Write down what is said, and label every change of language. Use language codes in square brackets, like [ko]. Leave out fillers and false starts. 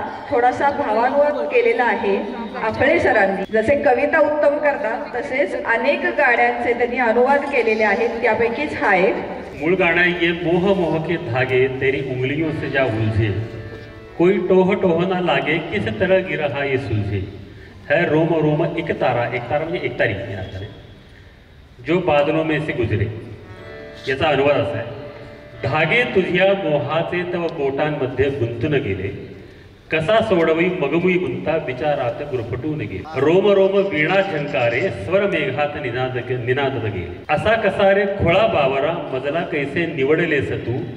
[mr] थोडासा भावानुवाद केलेला आहे आपले सरांनी. जसे कविता उत्तम करतात तसेच अनेक गाण्यांचे त्यांनी अनुवाद केलेले आहेत, त्यापैकीच हा एक. मूळ गाणं आहे [hi] ये मोह मोह के धागे तेरी उंगलियों से जा उलझे, कोई टोह टोह ना लागे किस तरह गिरहा ये सुलझे, है रोम रोम एक तारा, [mr] एक तारा म्हणजे एक तारीख [hi] जो बादलों में से गुजरे. [mr] याचा अनुवाद असा आहे, धागे तुझ्या मोहाचे तव बोटांमध्ये गुंतून गेले, कसा सोडवी मगमुई गुंता विचारात गुरफटून गेले, रोम रोम वीणा झंकारे स्वर मेघात निनादत गेले, असा कसा रे खोळा बावरा मजला कैसे निवडलेस तू,